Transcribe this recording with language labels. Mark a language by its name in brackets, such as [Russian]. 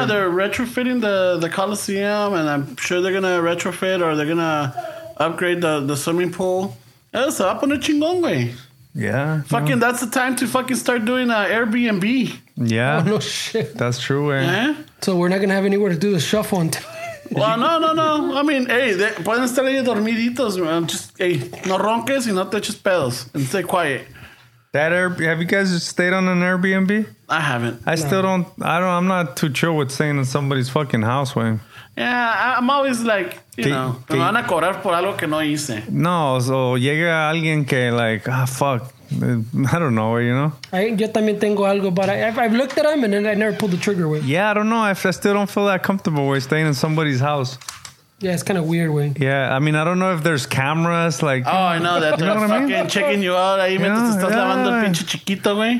[English] Yeah, they're retrofitting the Coliseum, and I'm sure they're going to retrofit or they're going to upgrade the swimming pool. It's up on the chingón, güey. Yeah. Fucking, that's the time to fucking start doing Airbnb. Yeah. Oh, no shit. That's true, man. Yeah. So we're not going to have anywhere to do the shuffle on time. Well, no. I mean, hey, [Spanish] pueden estar ahí dormiditos, man. Just, hey, no ronques y no te eches pedos. [English] And stay quiet. Have you guys just stayed on an Airbnb? I haven't. I don't, I'm not too sure with staying in somebody's fucking house, man. Yeah, I'm always like, you know, [Spanish] me van a cobrar por algo que no hice. [English] No, so [Spanish] llega alguien que [English] like, fuck, I don't know, you know? [Spanish] Yo también tengo algo, [English] but I've looked at them and then I never pulled the trigger with. Yeah, I don't know. I still don't feel that comfortable with staying in somebody's house. Yeah, it's kind of weird, way. Yeah, I mean, I don't know if there's cameras, like. Oh, I know that. You know what I mean? Fucking checking you out. [Spanish] Ahí mientras estás lavando el pinche chiquito, güey.